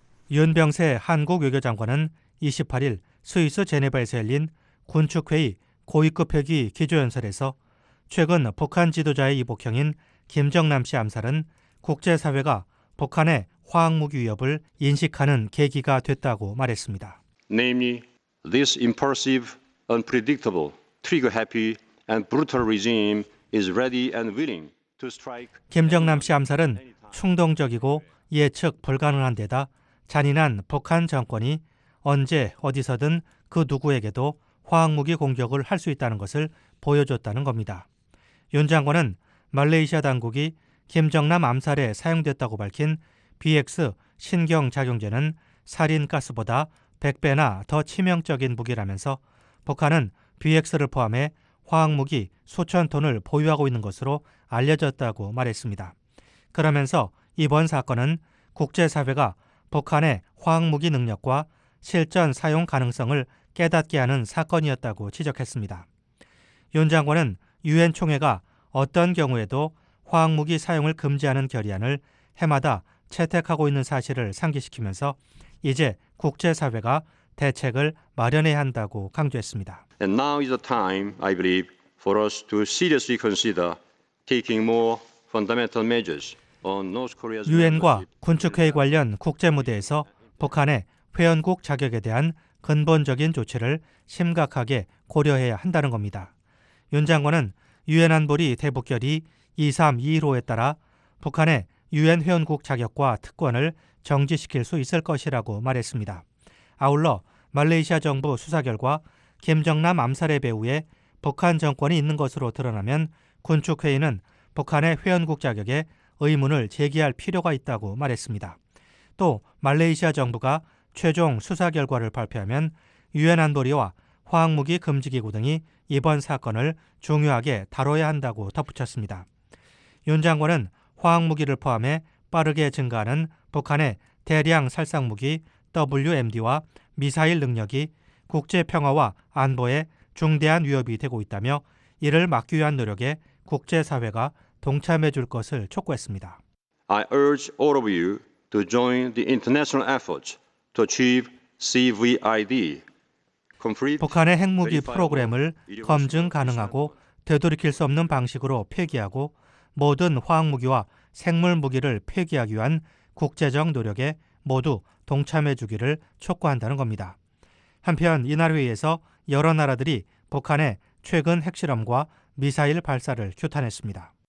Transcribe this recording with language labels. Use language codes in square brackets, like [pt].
[ko] 윤병세 한국 외교장관은 28일 스위스 제네바에서 열린 군축회의 고위급 회기 기조연설에서 최근 북한 지도자의 이복형인 김정남 씨 암살은 국제사회가 북한의 화학무기 위협을 인식하는 계기가 됐다고 말했습니다. [en] Namely, this impulsive, unpredictable, trigger-happy and brutal regime is ready and willing to strike. [ko] 김정남 씨 암살은 충동적이고 예측 불가능한 데다 잔인한 북한 정권이 언제 어디서든 그 누구에게도 화학무기 공격을 할 수 있다는 것을 보여줬다는 겁니다. 윤 장관은 말레이시아 당국이 김정남 암살에 사용됐다고 밝힌 BX 신경작용제는 살인가스보다 100배나 더 치명적인 무기라면서 북한은 BX를 포함해 화학무기 수천 톤을 보유하고 있는 것으로 알려졌다고 말했습니다. 그러면서 이번 사건은 국제사회가 북한의 화학무기 능력과 실전 사용 가능성을 깨닫게 하는 사건이었다고 지적했습니다. 윤 장관은 유엔 총회가 어떤 경우에도 화학무기 사용을 금지하는 결의안을 해마다 채택하고 있는 사실을 상기시키면서 이제 국제사회가 대책을 마련해야 한다고 강조했습니다. [en] And now is the time, I believe, for us to seriously consider taking more fundamental measures on North Korea's. [ko] 유엔과 군축회의 관련 국제무대에서 북한의 회원국 자격에 대한 근본적인 조치를 심각하게 고려해야 한다는 겁니다. 윤 장관은 유엔 안보리 대북결의 2321호에 따라 북한의 유엔 회원국 자격과 특권을 정지시킬 수 있을 것이라고 말했습니다. 아울러 말레이시아 정부 수사 결과 김정남 암살의 배후에 북한 정권이 있는 것으로 드러나면 군축회의는 북한의 회원국 자격에 의문을 제기할 필요가 있다고 말했습니다. 또 말레이시아 정부가 최종 수사 결과를 발표하면 유엔 안보리와 화학무기 금지기구 등이 이번 사건을 중요하게 다뤄야 한다고 덧붙였습니다. 윤 장관은 화학무기를 포함해 빠르게 증가하는 북한의 대량 살상무기 WMD와 미사일 능력이 국제평화와 안보에 중대한 위협이 되고 있다며 이를 막기 위한 노력에 국제사회가 동참해 줄 것을 촉구했습니다. [en] I urge all of you to join the international efforts to achieve CVID. [ko] 북한의 핵무기 프로그램을 검증 가능하고 되돌이킬 수 없는 방식으로 폐기하고 모든 화학무기와 생물무기를 폐기하기 위한 국제적 노력에 모두 동참해 주기를 촉구한다는 겁니다. 한편 이날 회의에서 여러 나라들이 북한의 최근 핵실험과 미사일 발사를 규탄했습니다.